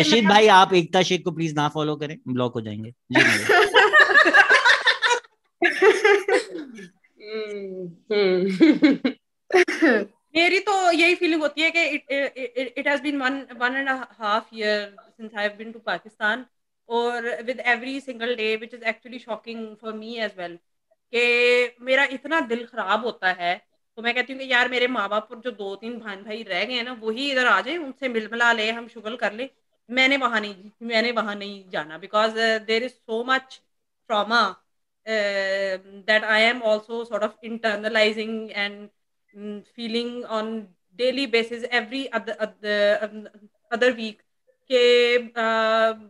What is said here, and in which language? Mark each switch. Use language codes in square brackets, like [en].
[hi] रशीद भाई, आप एकता शेख को please ना follow करें, block हो जाएंगे. मेरी तो यही फीलिंग होती है कि [en] it has been one and a half year since I have been to Pakistan. और with every single day which is actually shocking for me as well [hi] कि मेरा इतना दिल खराब होता है. तो मैं कहती हूँ कि यार मेरे माँ बाप पर जो दो तीन भाई भाई रह गए हैं ना, वही इधर आ जाए, उनसे मिल मिला ले, हम शुगल कर ले. मैंने वहाँ नहीं जाना [en] Because there is so much trauma that I am also sort of internalising and feeling on daily basis every other week के.